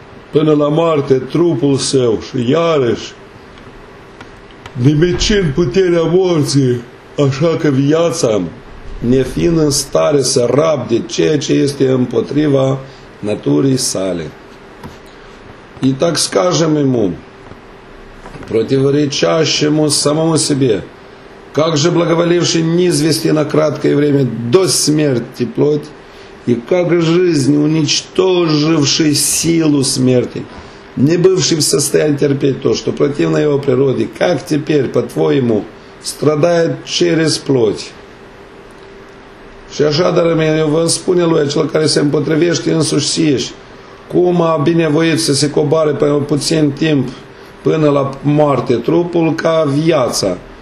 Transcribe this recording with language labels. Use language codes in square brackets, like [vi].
[ro] până la moarte trupul său și iarăși nimicind puterea morții, așa că viața nefiind în stare să rabde ceea ce este împotriva naturii sale. [ru] И так скажем ему, противоречащему самому себе, как же благоволивший низвести на краткое время до смерти плоть, и как жизнь, уничтоживший силу смерти, не бывший в состоянии терпеть то, что противно его природе, как теперь, по-твоему, страдает через плоть? [ro] Și așa, dar eu vă spune lui acel care se împotrivește însuși sieși, cum a binevoit să se coboare pe puțin timp până la moarte trupul ca viața.